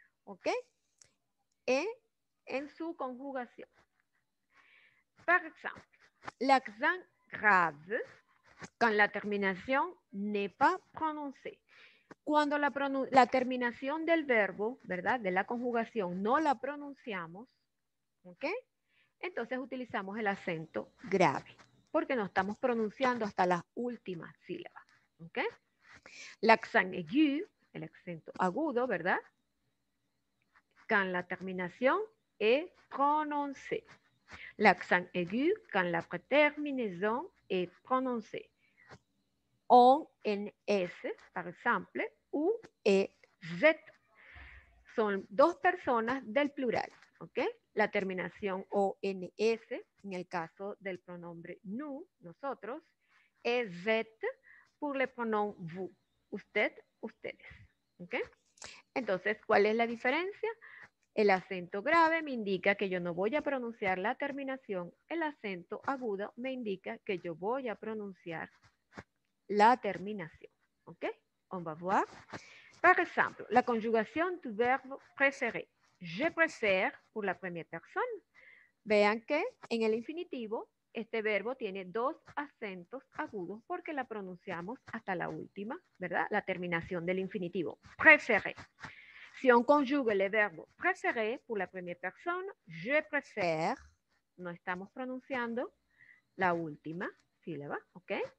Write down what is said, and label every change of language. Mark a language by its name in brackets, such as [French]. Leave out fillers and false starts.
[Spanish] ¿Ok? En su conjugación. [French] Par exemple, l'accent grave quand la [Spanish] terminación [French] n'est pas prononcée. [Spanish] Cuando la terminación del verbo, ¿verdad? De la conjugación no la pronunciamos, ¿ok? Entonces utilizamos el acento grave, porque no estamos pronunciando hasta las últimas sílabas, ¿ok? [French] L'accent aigu, [Spanish] el acento agudo, ¿verdad? [French] Quand la [Spanish] terminación [French] est prononcée. L'accent aigu, quand la terminación est prononcée. [Spanish] On, en S, por ejemplo, U, E, Z. Son dos personas del plural, ¿ok? La terminación O, N, S, en el caso del pronombre nous, nosotros, es Z, [French] pour le pronom vous, [Spanish] usted, ustedes, ¿ok? Entonces, ¿cuál es la diferencia? El acento grave me indica que yo no voy a pronunciar la terminación. El acento agudo me indica que yo voy a pronunciar la terminación, ¿ok? [French] On va voir. Par exemple, [Spanish] la conjugación [French] du verbo préférer. Je préfère pour la première personne. [Spanish] Vean que en el infinitivo este verbo tiene dos acentos agudos porque la pronunciamos hasta la última, ¿verdad? La terminación del infinitivo. [French] Préférer. Si on conjugue le verbo préférer pour la première personne, je préfère. [Spanish] No estamos pronunciando la última sílaba, ¿ok?